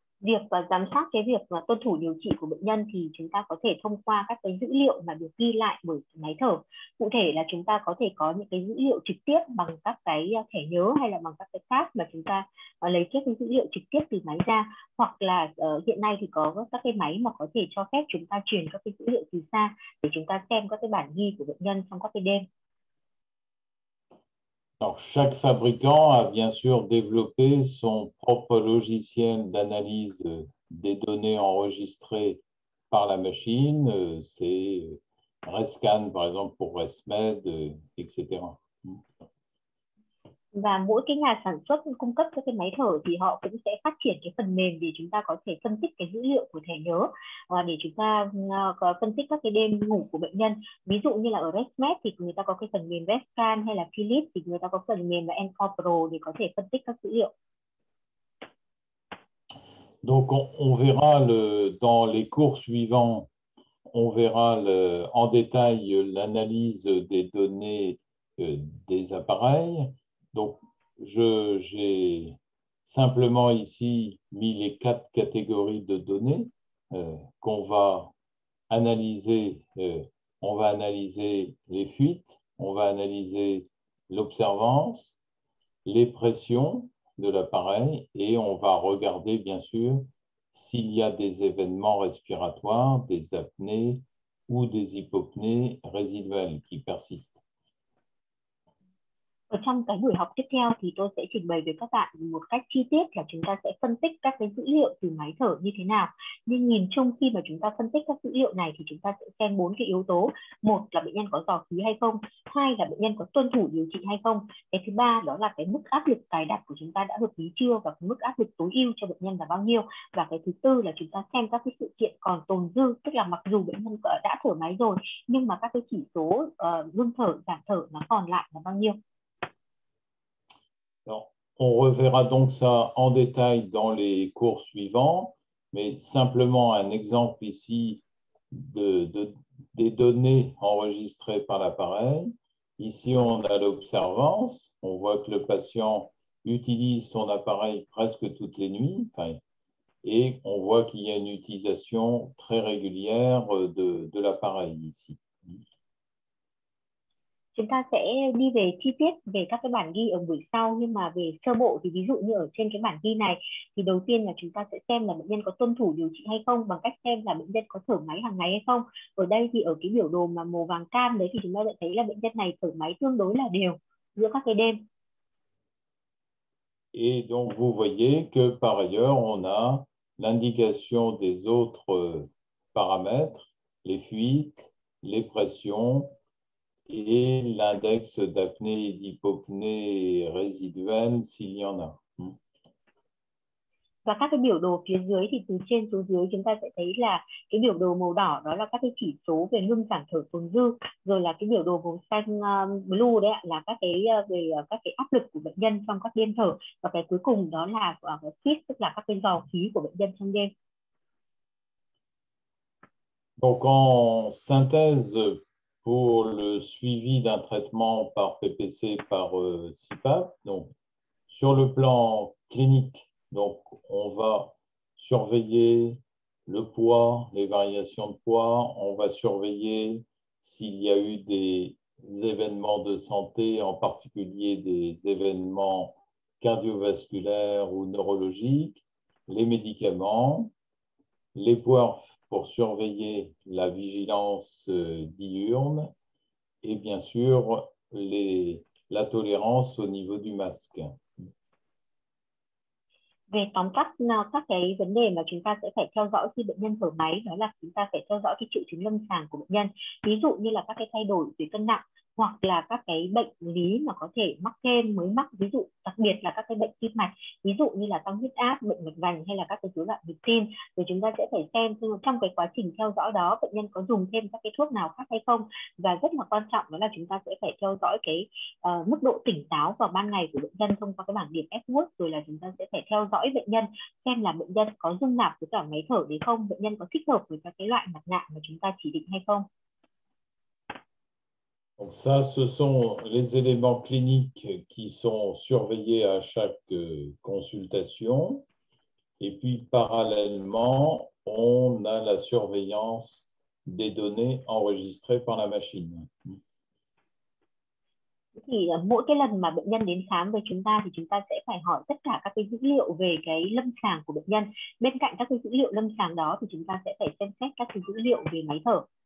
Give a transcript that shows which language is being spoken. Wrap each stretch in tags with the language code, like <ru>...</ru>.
<vi>việc và giám sát cái việc và tuân thủ điều trị của bệnh nhân thì chúng ta có thể thông qua các cái dữ liệu mà được ghi lại bởi máy thở. Cụ thể là chúng ta có thể có những cái dữ liệu trực tiếp bằng các cái thẻ nhớ hay là bằng các cái khác mà chúng ta lấy các cái dữ liệu trực tiếp từ máy ra, hoặc là hiện nay thì có các cái máy mà có thể cho phép chúng ta truyền các cái dữ liệu từ xa để chúng ta xem các cái bản ghi của bệnh nhân trong các cái đêm.</vi> <fr>Alors, chaque fabricant a bien sûr développé son propre logiciel d'analyse des données enregistrées par la machine. C'est Rescan, par exemple, pour ResMed, etc.</fr> <vi>Và mỗi cái nhà sản xuất cung cấp cho cái máy thở thì họ cũng sẽ phát triển cái phần mềm để chúng ta có thể phân tích cái dữ liệu của thẻ nhớ và để chúng ta có phân tích các cái đêm ngủ của bệnh nhân. Ví dụ như là ở ResMed thì người ta có cái phần mềm ResCan, hay là Philips thì người ta có phần mềm là Encore Pro để có thể phân tích các dữ liệu.</vi> <fr>Donc on verra dans les cours suivants, on verra en détail l'analyse des données des appareils. Donc, j'ai simplement ici mis les quatre catégories de données qu'on va analyser. On va analyser les fuites, on va analyser l'observance, les pressions de l'appareil et on va regarder, bien sûr, s'il y a des événements respiratoires, des apnées ou des hypopnées résiduelles qui persistent.</fr> <vi>Ở trong cái buổi học tiếp theo thì tôi sẽ trình bày với các bạn một cách chi tiết là chúng ta sẽ phân tích các cái dữ liệu từ máy thở như thế nào. Nhưng nhìn chung khi mà chúng ta phân tích các dữ liệu này thì chúng ta sẽ xem bốn cái yếu tố. Một là bệnh nhân có dò khí hay không. Hai là bệnh nhân có tuân thủ điều trị hay không. Cái thứ ba đó là cái mức áp lực cài đặt của chúng ta đã hợp lý chưa và cái mức áp lực tối ưu cho bệnh nhân là bao nhiêu. Và cái thứ tư là chúng ta xem các cái sự kiện còn tồn dư, tức là mặc dù bệnh nhân đã thở máy rồi nhưng mà các cái chỉ số ngưng thở, giảm thở nó còn lại là bao nhiêu.</vi> <fr>Alors, on reverra donc ça en détail dans les cours suivants, mais simplement un exemple ici des données enregistrées par l'appareil. Ici, on a l'observance. On voit que le patient utilise son appareil presque toutes les nuits, enfin, et on voit qu'il y a une utilisation très régulière de l'appareil ici.</fr> <vi>Chúng ta sẽ đi về chi tiết về các cái bản ghi ở buổi sau, nhưng mà về sơ bộ thì ví dụ như ở trên cái bản ghi này thì đầu tiên là chúng ta sẽ xem là bệnh nhân có tuân thủ điều trị hay không bằng cách xem là bệnh nhân có thở máy hàng ngày hay không. Ở đây thì ở cái biểu đồ mà màu vàng cam đấy thì chúng ta sẽ thấy là bệnh nhân này thở máy tương đối là đều giữa các cái đêm.</vi> <fr>Et donc vous voyez que par ailleurs on a l'indication des autres paramètres, les fuites, les pressions et l'index d'apnée et d'hypopnée résiduelle s'il y en a.</fr> <vi>Và các cái biểu đồ phía dưới thì từ trên xuống dưới chúng ta sẽ thấy là cái biểu đồ màu đỏ đó là các cái chỉ số về ngưng giảm thở tồn dư, rồi là cái biểu đồ màu xanh blue đấy là các cái về các cái áp lực của bệnh nhân trong các đêm thở, và cái cuối cùng đó là fit, tức là các cái dò khí của bệnh nhân trong đêm.</vi> <fr>Donc en synthèse, pour le suivi d'un traitement par PPC, par CPAP. Donc, sur le plan clinique, donc, on va surveiller le poids, les variations de poids, on va surveiller s'il y a eu des événements de santé, en particulier des événements cardiovasculaires ou neurologiques, les médicaments, les poids pour surveiller la vigilance diurne et bien sûr la tolérance au niveau du masque.</fr> <vi>Về tóm tắt các cái vấn đề mà chúng ta sẽ phải theo dõi khi bệnh nhân thở máy, đó là chúng ta phải theo dõi cái triệu chứng lâm sàng của bệnh nhân, ví dụ như là các cái thay đổi về cân nặng hoặc là các cái bệnh lý mà có thể mắc thêm, mới mắc, ví dụ đặc biệt là các cái bệnh tim mạch, ví dụ như là tăng huyết áp, bệnh mạch vành hay là các cái rối loạn nhịp tim. Rồi chúng ta sẽ phải xem trong cái quá trình theo dõi đó bệnh nhân có dùng thêm các cái thuốc nào khác hay không, và rất là quan trọng đó là chúng ta sẽ phải theo dõi cái mức độ tỉnh táo vào ban ngày của bệnh nhân thông qua cái bảng điểm Epworth, rồi là chúng ta sẽ phải theo dõi bệnh nhân xem là bệnh nhân có dung nạp với cả máy thở đấy không, bệnh nhân có thích hợp với các cái loại mặt nạ mà chúng ta chỉ định hay không.</vi> <fr>Donc ça, ce sont les éléments cliniques qui sont surveillés à chaque consultation. Et puis, parallèlement, on a la surveillance des données enregistrées par la machine.</fr> <vi>Thì mỗi cái lần mà bệnh nhân đến khám với chúng ta thì chúng ta sẽ phải hỏi tất cả các cái dữ liệu về cái lâm sàng của bệnh nhân. Bên cạnh các cái dữ liệu lâm sàng đó thì chúng ta sẽ phải xem xét các cái dữ liệu về máy thở.</vi>